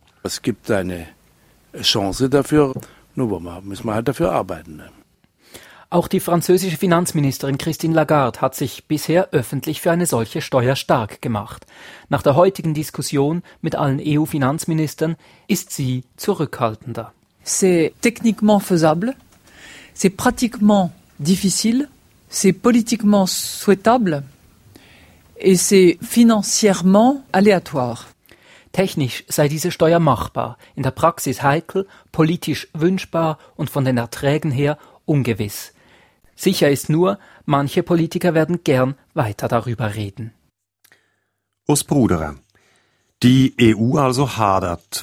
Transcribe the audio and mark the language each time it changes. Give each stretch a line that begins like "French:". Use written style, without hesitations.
German: Es gibt eine Chance dafür, nur müssen wir halt dafür arbeiten. Auch die französische Finanzministerin Christine Lagarde hat sich bisher öffentlich für eine solche Steuer stark gemacht. Nach der heutigen Diskussion mit allen EU-Finanzministern ist sie zurückhaltender.
French: C'est techniquement faisable, c'est pratiquement difficile, c'est politiquement souhaitable et c'est financièrement aléatoire.
German: Technisch sei diese Steuer machbar, in der Praxis heikel, politisch wünschbar und von den Erträgen her ungewiss. Sicher ist nur, manche Politiker werden gern weiter darüber reden. Urs Bruderer. Die EU also hadert.